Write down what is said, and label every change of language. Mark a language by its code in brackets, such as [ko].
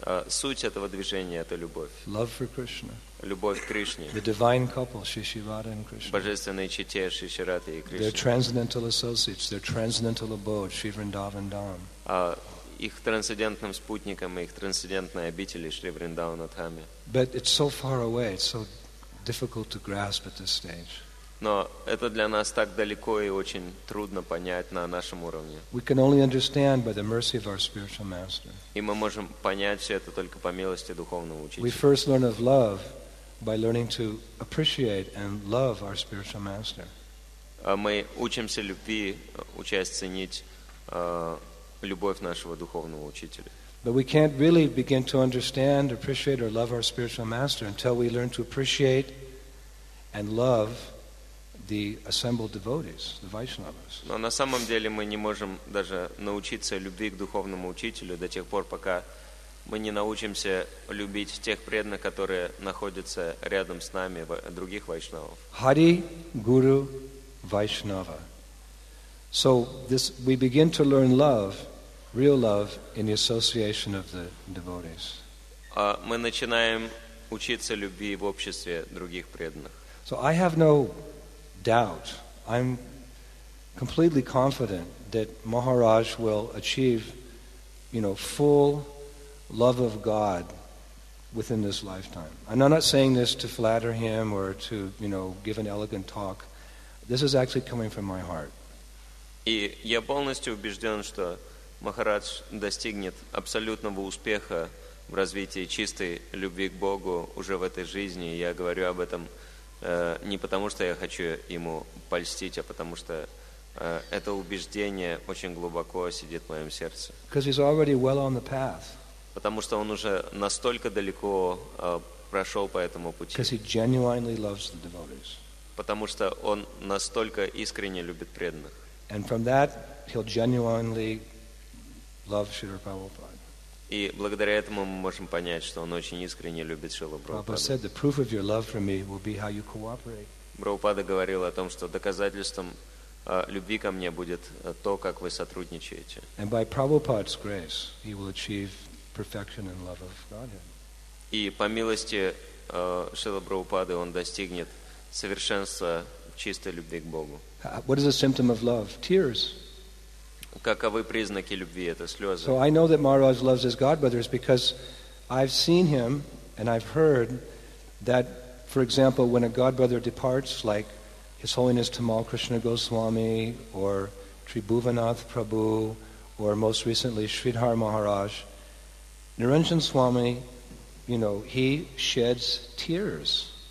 [ru] Суть этого движения – это любовь. [en] Love for Krishna. [ru] Любовь к Кришне. [en] The divine couple, Шишивада and Krishna. [ru] Божественные чете, Шишивада и Кришна. [en] Their transcendental associates, their transcendental abode, Шри Вриндаван Дхам. [ru] Их трансцендентным спутником и их трансцендентной обители, Шри Вриндаван Дхаме. [en] But it's so far away, it's so difficult to grasp at this stage. [ru] Но это для нас так далеко и очень трудно понять на нашем уровне. [en] We can only understand by the mercy of our spiritual master. [ru] И мы можем понять все это только по милости духовного учителя. [en] We first learn of love by learning to appreciate and love our spiritual master. [ru] Мы учимся любви, учась ценить любовь нашего духовного учителя. [en] But we can't really begin to understand, appreciate or love our spiritual master until we learn to appreciate and love the assembled devotees, the Vaishnavas. [ru] Но на самом деле мы не можем даже научиться любви к духовному учителю до тех пор, пока мы не научимся любить тех преданных, которые находятся рядом с нами, других вайшнавов. [en] Hari Guru Vaishnava. So this we begin to learn love, real love, in the association of the devotees. [ru] Мы начинаем учиться любви в обществе других преданных. [en] So I have no doubt. I'm completely confident that Maharaj will achieve, you know, full love of God within this lifetime. And I'm not saying this to flatter him or to, you know, give an elegant talk. This is actually coming from my heart. [ru] И я полностью убежден, что Махарадж достигнет абсолютного успеха в развитии чистой любви к Богу уже в этой жизни. Я говорю об этом не потому, что я хочу ему польстить, а потому что Это убеждение очень глубоко сидит в моем сердце. [en] Because he's already well on the path. [ru] Потому что он уже настолько далеко прошел по этому пути. [en] Because he genuinely loves the devotees. [ru] Потому что он настолько искренне любит преданных. [en] And from that, he'll genuinely love Śrīla Prabhupāda. [ru] И благодаря этому мы можем понять, что он очень искренне любит Śrīla Prabhupāda. [en] Prabhupāda said, the proof of your love for me will be how you cooperate. [ru] Prabhupāda говорил о том, что доказательством любви ко мне будет то, как вы сотрудничаете. [en] And by Prabhupāda's grace, he will achieve perfection and love of Godhead. [ru] И по милости Шрилы Прабхупады он достигнет совершенства чистой любви к Богу. [en] What is a symptom of love? Tears. [ru] Каковы признаки любви? Это слезы. [en] So I know that Maharaj loves his godbrothers because I've seen him and I've heard that, for example, when a godbrother departs, like His Holiness Tamal Krishna Goswami or Tribhuvanath Prabhu or most recently Sridhar Maharaj, Niranjan Swami, you know, he sheds tears.